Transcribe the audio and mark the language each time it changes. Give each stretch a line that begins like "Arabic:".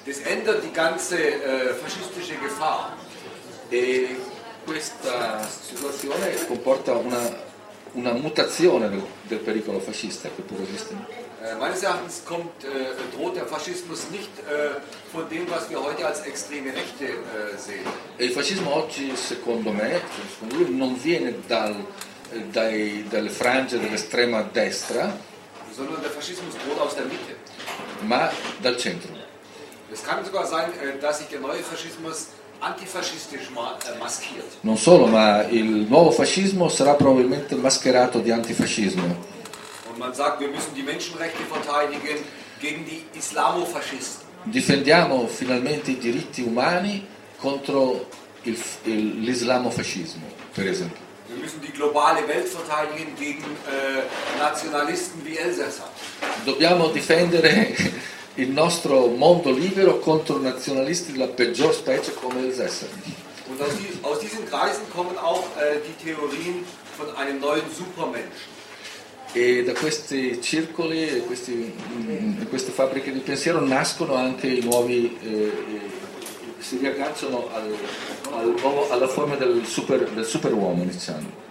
German: Das ändert die ganze faschistische Gefahr.
Italian: E questa situazione comporta una mutazione del pericolo fascista che pur esiste.
German: Meines Erachtens droht der Faschismus nicht von dem, was wir heute als extreme Rechte sehen.
Italian: Il fascismo oggi, secondo me, non viene dalle frange dell'estrema destra,
German: sondern der Faschismus droht aus der Mitte.
Italian: Ma dal centro.
German: Es kann sogar sein, dass sich der neue Faschismus antifascistisch maskiert.
Italian: Non solo, ma il nuovo fascismo sarà probabilmente mascherato di antifascismo.
German: Man sagt, wir müssen die Menschenrechte verteidigen gegen die Islamofaschisten.
Italian: Difendiamo finalmente i diritti umani contro l'islamofascismo, per esempio.
German: Wir müssen die globale Welt verteidigen gegen Nationalisten wie Elsässer.
Italian: Dobbiamo difendere il nostro mondo libero contro nazionalisti della peggior specie come Elsässer.
German: Und aus diesen Kreisen kommen auch die Theorien von einem neuen Supermensch.
Italian: E da questi circoli, queste fabbriche di pensiero nascono anche i nuovi, si riagganciano alla forma del superuomo, diciamo.